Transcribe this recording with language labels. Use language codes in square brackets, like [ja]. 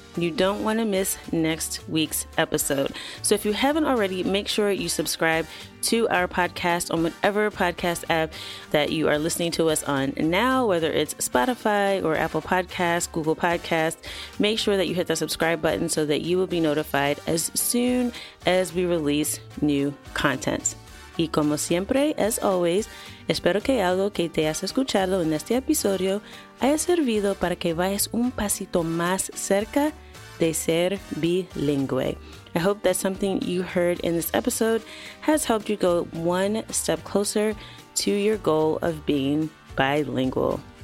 [en] You don't want to miss next week's episode. So if you haven't already, make sure you subscribe to our podcast on whatever podcast app that you are listening to us on now, whether it's Spotify or Apple Podcasts, Google Podcasts. Make sure that you hit that subscribe button so that you will be notified as soon as we release new content. [es] Y como siempre, [en] as always, [es] espero que algo que te has escuchado en este episodio haya servido para que vayas un pasito más cerca de ser bilingüe. [en] I hope that something you heard in this episode has helped you go one step closer to your goal of being bilingual.